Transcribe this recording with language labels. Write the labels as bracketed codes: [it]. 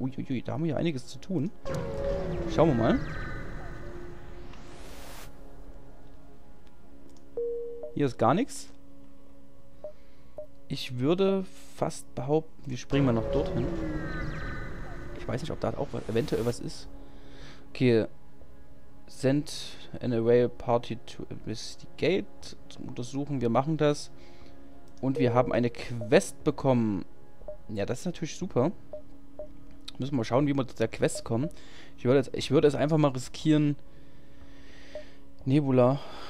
[de] Uiuiui, da haben wir ja einiges zu tun. Schauen wir mal. Hier ist gar nichts. Ich würde fast behaupten, wir springen mal noch dorthin. Ich weiß nicht, ob da auch was, eventuell was ist. Okay. [en] Send an away party to investigate. Gate. [de] Zum Untersuchen, wir machen das. Und wir haben eine Quest bekommen. Ja, das ist natürlich super. Müssen wir mal schauen, wie wir zu der Quest kommen. Ich würde es einfach mal riskieren. Nebula.